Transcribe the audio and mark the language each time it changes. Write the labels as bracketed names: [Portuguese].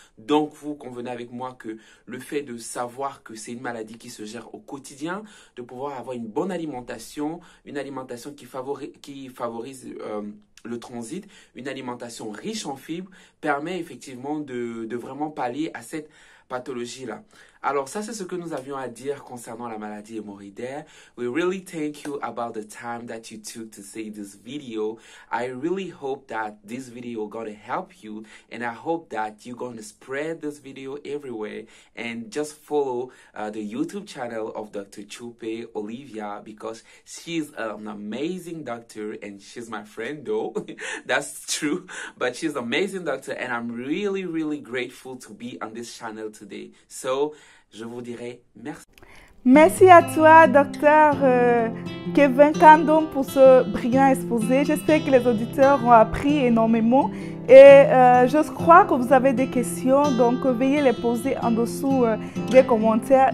[French] Donc, vous convenez avec moi que le fait de savoir que c'est une maladie qui se gère au quotidien, de pouvoir avoir une bonne alimentation, une alimentation qui favorise le transit, une alimentation riche en fibres permet effectivement de vraiment pallier à cette pathologie-là. Alors ça, c'est ce que nous avions à dire concernant la maladie hémorroïdaire. [English] We really thank you about the time that you took to see this video. I really hope that this video gonna help you and I hope that you're gonna spread this video everywhere and just follow the YouTube channel of Dr. Chupe Olivia because she's an amazing doctor and she's my friend though. That's true. But she's an amazing doctor and I'm really, really grateful to be on this channel today. So, [French] je vous dirai merci. Merci à toi, docteur Kevin Kandom, pour ce brillant exposé. J'espère que les auditeurs ont appris énormément. Et je crois que vous avez des questions, donc veuillez les poser en dessous des commentaires.